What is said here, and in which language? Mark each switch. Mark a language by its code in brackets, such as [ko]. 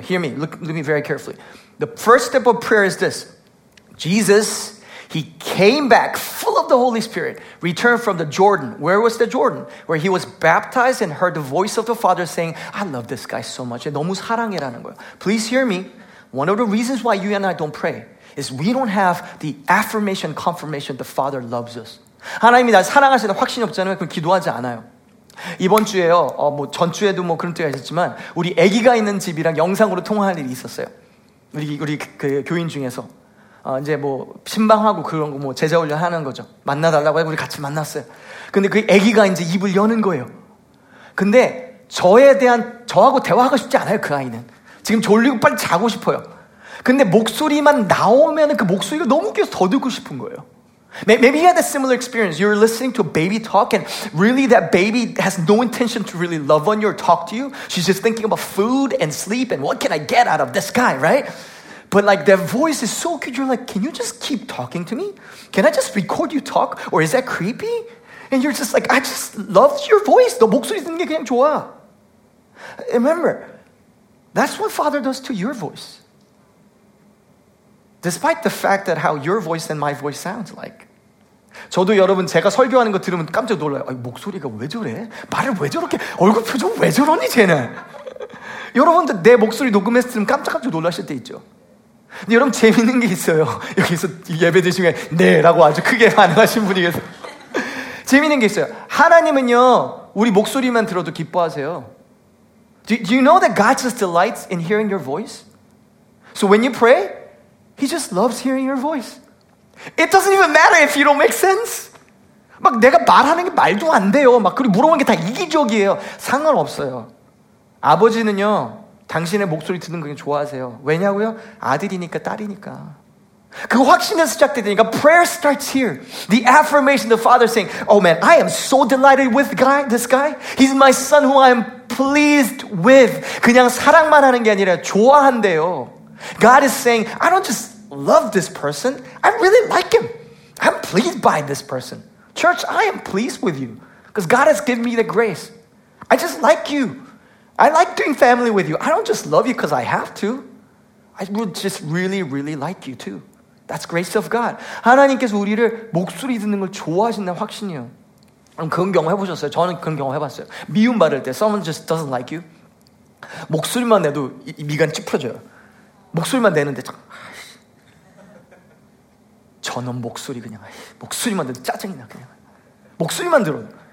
[en] Hear me. Look me very carefully. The first step of prayer is this. Jesus, he came back full of the Holy Spirit, returned from the Jordan. Where was the Jordan? Where he was baptized and heard the voice of the Father saying, I love this guy so much. [ko] 너무 사랑해라는 거예요. [en] Please hear me. One of the reasons why you and I don't pray is we don't have the affirmation, confirmation the Father loves us. [ko] 하나님이 날 사랑하시는 확신이 없잖아요. 그럼 기도하지 않아요. 이번 주에요. 전주에도 뭐 그런 때가 있었지만 우리 아기가 있는 집이랑 영상으로 통화할 일이 있었어요. 우리 교인 중에서. 이제 뭐 신방하고 그런 거 뭐 제자 훈련 하는 거죠. 만나달라고 해서 우리 같이 만났어요. 근데 그 아기가 이제 입을 여는 거예요. 근데 저에 대한 저하고 대화하고 싶지 않아요. 그 아이는 지금 졸리고 빨리 자고 싶어요. 근데 목소리만 나오면은 그 목소리가 너무 웃겨서 더 듣고 싶은 거예요. [en] Maybe you had a similar experience. You're listening to a baby talk and really that baby has no intention to really love on you or talk to you. She's just thinking about food and sleep and what can I get out of this guy, right? But like their voice is so cute. You're like, can you just keep talking to me? Can I just record you talk? Or is that creepy? And you're just like, I just love your voice. [ko] 너 목소리 듣는 게 그냥 좋아. [en] Remember, that's what Father does to your voice. Despite the fact that how your voice and my voice sounds like. [ko] 저도 여러분 제가 설교하는 거 들으면 깜짝 놀라요. 목소리가 왜 저래? 말을 왜 저렇게? 얼굴 표정 왜 저러니 쟤는? 여러분도 내 목소리 녹음했을 때 깜짝깜짝 놀라실 때 있죠. 근데 여러분 재밌는 게 있어요. 여기서 예배들 중에 네 라고 아주 크게 반응하신 분이 계세요. 재밌는 게 있어요. 하나님은요 우리 목소리만 들어도 기뻐하세요. [en] Do you know that God just delights in hearing your voice? So when you pray, He just loves hearing your voice. It doesn't even matter if you don't make sense. [ko] 막 내가 말하는 게 말도 안 돼요. 막 그리고 물어보는 게 다 이기적이에요. 상관없어요. 아버지는요, 당신의 목소리 듣는 걸 좋아하세요. 왜냐고요? 아들이니까 딸이니까. 그 확신은 시작되니까 [en] prayer starts here. The affirmation, the father saying, oh man, I am so delighted with this guy. He's my son who I am pleased with. [ko] 그냥 사랑만 하는 게 아니라 좋아한대요. [en] God is saying, I don't just love this person. I really like him. I'm pleased by this person. Church, I am pleased with you. Because God has given me the grace. I just like you. I like doing family with you. I don't just love you because I have to. I would just really, really like you too. That's grace of God. [ko] 하나님께서 우리를 목소리 듣는 걸 좋아하신다는 확신이요. 그럼 그런 경험 해보셨어요? 저는 그런 경험 해봤어요. 미움 받을 때 [en] someone just doesn't like you. [ko] 목소리만 내도 미간 찌푸려져요. 목소리만 내는데 저놈 목소리 그냥 목소리만 들어도 짜증이 나 그냥 목소리만 들어.